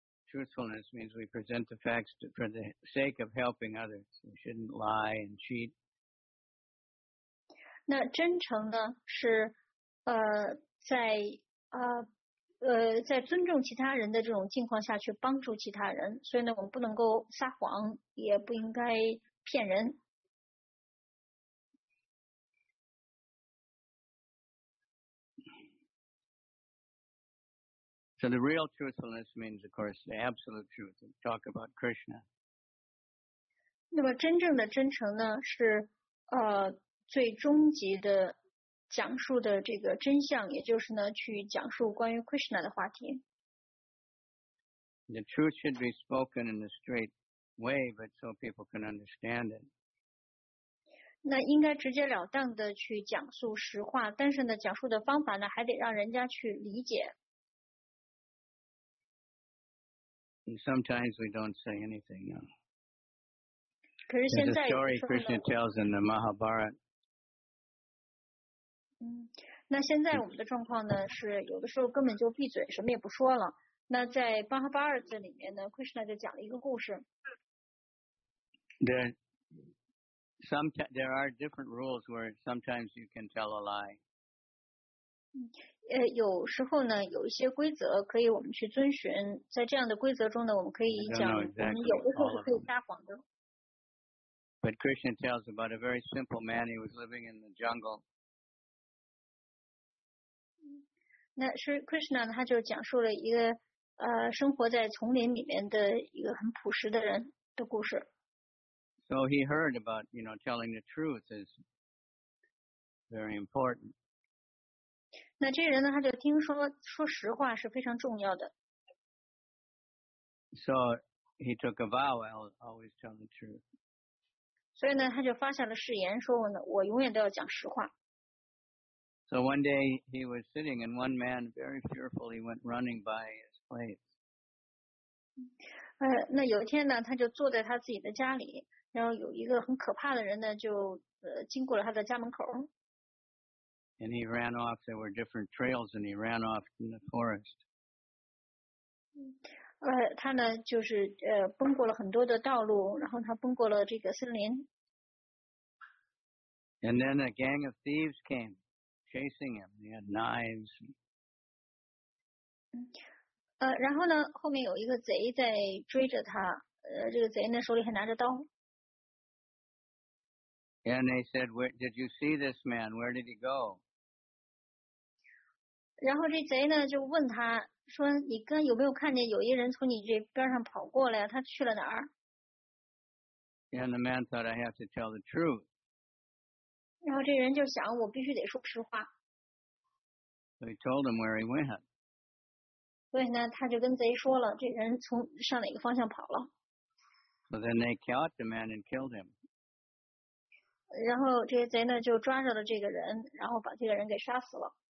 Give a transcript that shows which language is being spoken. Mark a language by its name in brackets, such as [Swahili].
[English] Truthfulness means we present the facts for the sake of helping others. We shouldn't lie and cheat. [Chinese] 那真诚呢是在尊重其他人的这种境况下去帮助其他人。所以呢，我们不能够撒谎，也不应该骗人。 [English] So the real truthfulness means, of course, the absolute truth. We talk about Krishna. [Chinese] 那么真正的真诚呢是最终极的讲述的这个真相也就是呢去讲述关于 Krishna 的话题。 [English] The truth should be spoken in a straight way, but so people can understand it. [Chinese] 那应该直截了当的去讲述实话但是呢讲述的方法呢还得让人家去理解。 [English] And sometimes we don't say anything. No. [Chinese] 可是现在 [English] There's a story Krishna tells in the Mahabharata. [Chinese] 那现在我们的状况呢是有的时候根本就闭嘴什么也不说了。那在 Mahabharata 里面呢 Krishna 就讲了一个故事。 [English] There are different rules where sometimes you can tell a lie. [Chinese] 有时候呢有一些规则可以我们去遵循在这样的规则中呢我们可以讲我们有的时候是可以撒谎的 [English] But Krishna tells about a very simple man he was living in the jungle [Chinese] 那是 Krishna 他就讲述了一个生活在丛林里面的一个很朴实的人的故事 [English] So he heard about you know telling the truth is very important [Chinese] 那这人呢他就听说说实话是非常重要的。 [English] So he took a vow, I'll always tell the truth. [Chinese] 所以呢他就发下了誓言说呢我永远都要讲实话。 [English] So one day he was sitting and one man very fearfully went running by his place. [Chinese] 那有一天呢他就坐在他自己的家里然后有一个很可怕的人呢就经过了他的家门口。 [English] And he ran off, there were different trails, and he ran off in the forest. [Chinese] 他呢就是奔过了很多的道路然后他奔过了这个森林。 [English] And then a gang of thieves came, chasing him. They had knives. [Chinese] 然后呢后面有一个贼在追着他这个贼呢手里还拿着刀。 [English] And they said, "Where did you see this man? Where did he go? [Chinese] 然后这贼呢就问他说你跟有没有看见有一人从你这边上跑过来他去了哪儿 [English] And the man thought I have to tell the truth. [Chinese] 然后这人就想我必须得说实话。 [English] So he told him where he went. [Chinese] 所以呢他就跟贼说了这人从上哪个方向跑了。 [English] So then they caught the man and killed him. [Chinese] 然后这贼呢就抓着了这个人然后把这个人给杀死了。